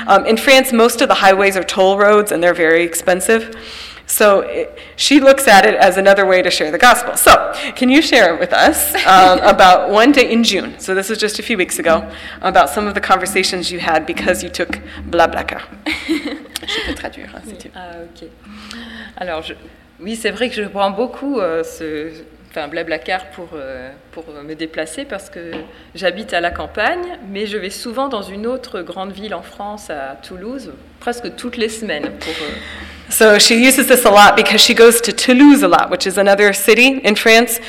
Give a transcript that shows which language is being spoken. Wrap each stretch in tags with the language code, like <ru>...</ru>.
<en>In France, most of the highways are toll roads, and they're very expensive. So she looks at it as another way to share the gospel. So can you share with us about one day in June, so this is just a few weeks ago, about some of the conversations you had because you took BlaBlaCar?</en> <fr>Je peux traduire, si tu veux. Ah, ok. Alors, oui, c'est vrai que je prends beaucoup BlaBlaCar pour me déplacer parce que j'habite à la campagne, mais je vais souvent dans une autre grande ville en France, à Toulouse, presque toutes les semaines pour...</fr> <en>So she uses this a lot because she goes to Toulouse a lot, which is another city in France.</en>